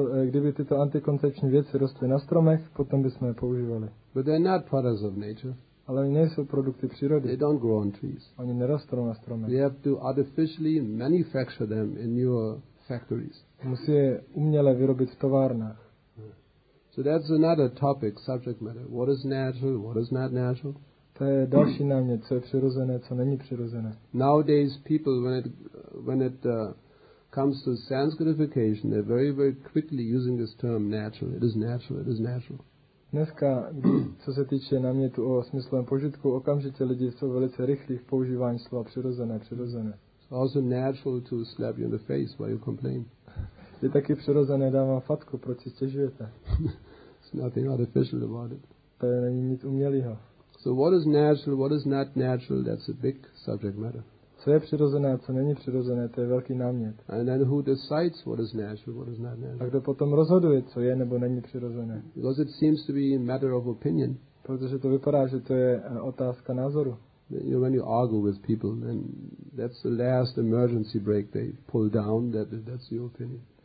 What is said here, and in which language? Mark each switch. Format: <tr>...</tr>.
<cs>Kdyby tyto antikoncepční věci rostly na stromech, potom bychom je používali.</cs> <en>But they're not products of nature.</en> <cs>Ale oni nejsou produkty přírody.</cs> <en>They don't grow on trees.</en> <cs>Oni nerostou na stromech.</cs> <en>You have to artificially manufacture them in your factories.</en> <cs>Musí je uměle vyrobit v továrnách.</cs> <en>So that's another topic, subject matter. What is natural, what is not natural?</en> <cs>To je další námět, co je přirozené, co není přirozené.</cs> <en>Nowadays people, when it comes to sanskritification, they're very, very quickly using this term natural. It is natural, it is natural.</en> <cs>Dneska, co se týče námětu o smyslovém požitku, okamžitě lidi jsou velice rychlí v používání slova přirozené, přirozené.</cs> <en>It's also natural to slap you in the face while you complain.</en> <cs>Je taky přirozené, dám vám fatku, proč si stěžujete.</cs> <en>It's nothing artificial about it.</en> <cs>To není nic umělýho.</cs> <en>So what is natural, what is not natural, that's a big subject matter.</en> <cs>Co je přirozené a co není přirozené, to je velký námět.</cs> <en>And then who decides what is natural, what is not natural.</en> <cs>A kdo potom rozhoduje, co je nebo není přirozené.</cs> <en>Because it seems to be a matter of opinion.</en> <cs>Protože to vypadá, že to je otázka názoru.</cs> <en>You know, when you argue with people, then that's the last emergency brake they pull down, that's your opinion.</en>